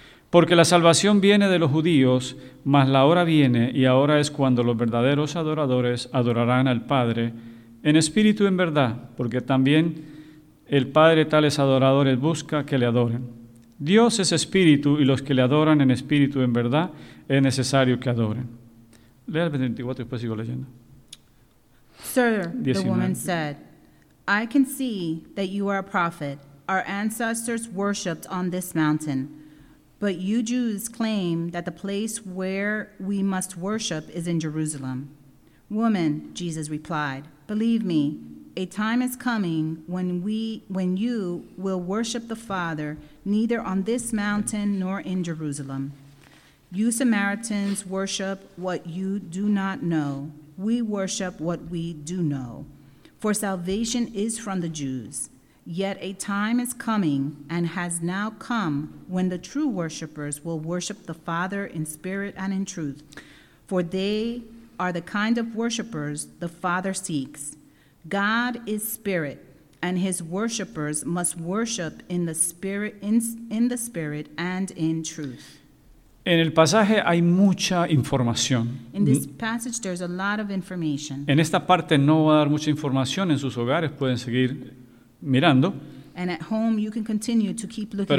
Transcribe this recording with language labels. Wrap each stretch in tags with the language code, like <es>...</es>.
<es>Porque la salvación viene de los judíos, mas la hora viene y ahora es cuando los verdaderos adoradores adorarán al Padre en espíritu y en verdad, porque también el Padre tales adoradores busca que le adoren. Dios es espíritu y los que le adoran en espíritu y en verdad es necesario que adoren. Lea el 24 y después sigo leyendo.</es> <en>Sir, 19. The woman said, I can see that you are a prophet. Our ancestors worshipped on this mountain. But you Jews claim that the place where we must worship is in Jerusalem. Woman, Jesus replied, believe me, a time is coming when you will worship the Father neither on this mountain nor in Jerusalem. You Samaritans worship what you do not know. We worship what we do know. For salvation is from the Jews. Yet a time is coming and has now come when the true worshipers will worship the Father in spirit and in truth, for they are the kind of worshipers the Father seeks. God is spirit, and his worshipers must worship in the spirit and in truth.</en> <es>En el pasaje hay mucha información.</es> <en>In this passage, there's a lot of information.</en> <es>En esta parte no va a dar mucha información. En sus hogares pueden seguir mirando.</es> <en>And at home, you can continue to keep looking.</en>